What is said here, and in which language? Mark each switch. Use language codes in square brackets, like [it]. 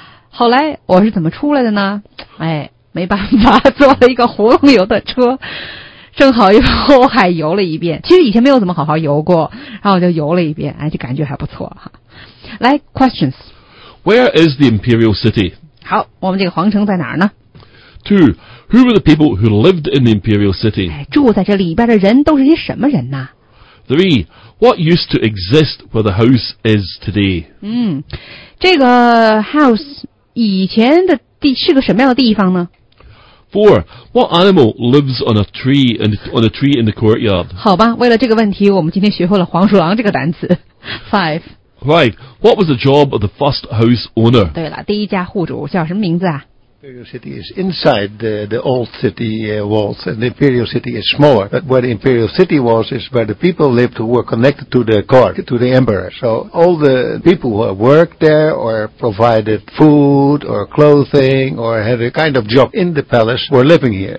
[zh] 后来我是怎么出来的呢？哎，没办法，坐了一个葫芦油的车，正好又后海游了一遍。其实以前没有怎么好好游过，然后我就游了一遍，哎，就感觉还不错哈。来 [en] ，questions. Where is the Imperial City? [zh] 好，我们这个皇城在哪儿呢 [en] ？Two. Who were the people who lived in the Imperial City? [zh] 哎，住在这里边的人都是些什么人呢 [en] ？Three. What used to exist where the house is today? [zh] 嗯，这个 house 以前的地是个什么样的地方呢 [en] ？Four. What animal lives on a tree and on a tree in the courtyard? [zh] 好吧，为了这个问题，我们今天学会了黄鼠狼这个单词。 [en] Five. Right. What was the job of the first house owner? [zh] 对了，第一家户主叫什么名字啊 [en] ？Imperial city is inside the old city walls, and the imperial city is smaller. But where the imperial city was is where the people lived who were connected to the court, to the emperor. So all the people who worked there or provided food or clothing or had a kind of job in the palace were living here.